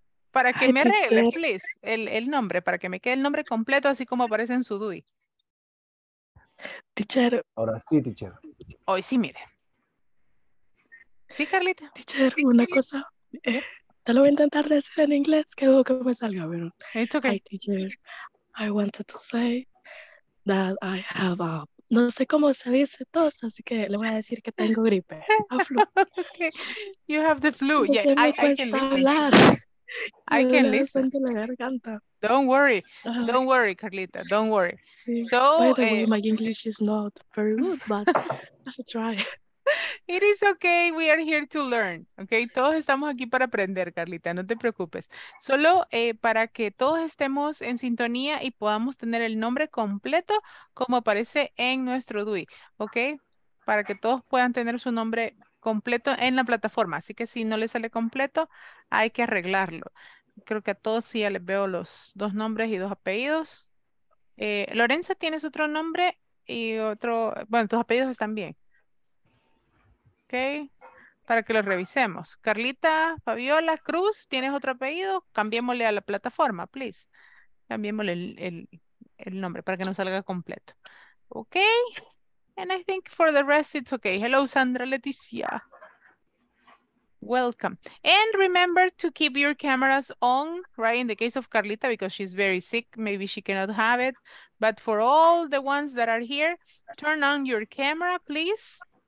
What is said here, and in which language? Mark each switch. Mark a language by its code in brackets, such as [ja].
[es] Para que me arregle, please, el nombre, para que me quede el nombre completo, así como aparece en su DUI. [en] Teacher. [es] Ahora sí, teacher. Hoy sí, mire. ¿Sí, Carlita? Teacher, una cosa. Te lo voy a intentar decir en inglés, que dudo que me salga, pero... ¿Esto qué? [en] Hi, teacher. I wanted to say that I have a... [es] No sé cómo se dice tos, así que le voy a decir que tengo gripe. [en] A flu. Okay. You have the flu. yeah, [es] sé, me cuesta hablar. [en] I can listen. [es] La garganta. [en] Don't worry. Don't worry, Carlita. Don't worry. [es] Sí. [en] So, by the way, my English is not very good, but I try. It is okay. We are here to learn. Okay. [es] Todos estamos aquí para aprender, Carlita. No te preocupes. Solo para que todos estemos en sintonía y podamos tener el nombre completo como aparece en nuestro DUI. Okay. Para que todos puedan tener su nombre completo en la plataforma. Así que si no le sale completo, hay que arreglarlo. Creo que a todos sí ya les veo los dos nombres y dos apellidos. Lorenza, ¿tienes otro nombre y otro? Bueno, tus apellidos están bien. Ok. Para que los revisemos. Carlita, Fabiola, Cruz, ¿tienes otro apellido? Cambiémosle a la plataforma, please. Cambiémosle el nombre para que nos salga completo. Ok. [en] And I think for the rest, it's okay. Hello, Sandra Leticia. Welcome. And remember to keep your cameras on, right? In the case of Carlita, because she's very sick. Maybe she cannot have it. But for all the ones that are here, turn on your camera, please.